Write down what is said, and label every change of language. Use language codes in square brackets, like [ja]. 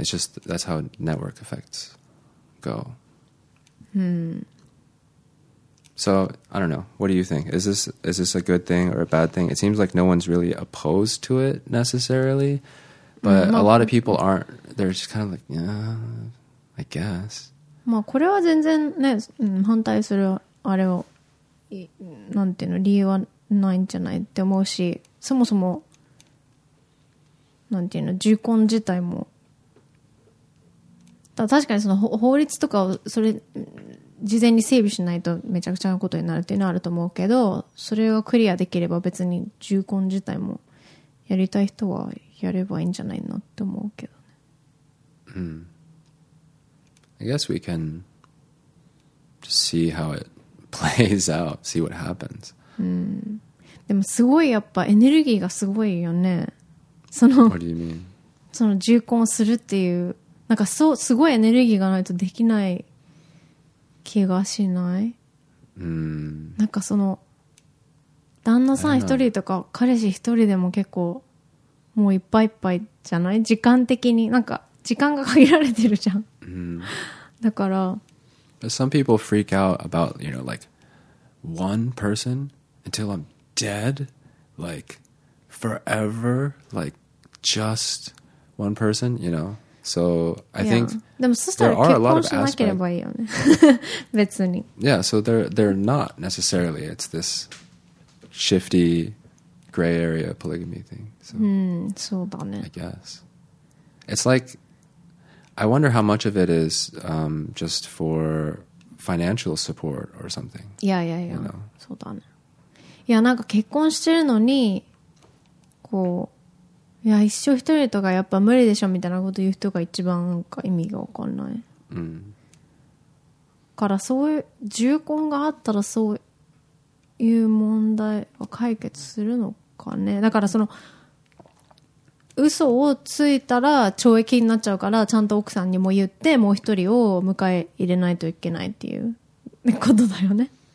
[en] It's just, that's how network effects go. So I don't know. What do you think? Is this a good thing or a bad thing? It seems like no one's really opposed to it necessarily, but a lot of people aren't. They're just kind of like, yeah, I guess. [ja] まあこれは全然ね、反対するあれをなんていうの理由はないんじゃないって思うし、そもそもなんていうの受婚自体も、だから確かにその法律とかをそれ事前に整備しないとめちゃくちゃなことになるっていうのはあると思うけど、それをクリアできれば別に受婚自体もやりたい人はやればいいんじゃないのって思うけどね。 [en] I guess we can just see how it plays out, see what happens. [ja] でもすごいやっぱエネルギーがすごいよね。 [en] What do you mean? [ja] その受婚するっていう、なんかそうすごいエネルギーがないとできない気がしない、なんかその旦那さん一人とか彼氏一人でも結構もういっぱいいっぱいじゃない、時間的に、なんか時間が限られてるじゃん、だから [en] But some people freak out about, you know, like one person until I'm dead, like forever, like just one person, you know. So I think there are a lot of aspects. Yeah, so they're not necessarily. It's this shifty gray area polygamy thing. So I guess. It's like, I wonder how much of it is just for financial support or something. Yeah. You know? [ja] So yeah, いや一生一人とかやっぱ無理でしょみたいなこと言う人が一番なんか意味が分かんない、からそういう重婚があったらそういう問題は解決するのかね、だからその嘘をついたら懲役になっちゃうからちゃんと奥さんにも言ってもう一人を迎え入れないといけないっていうことだよね。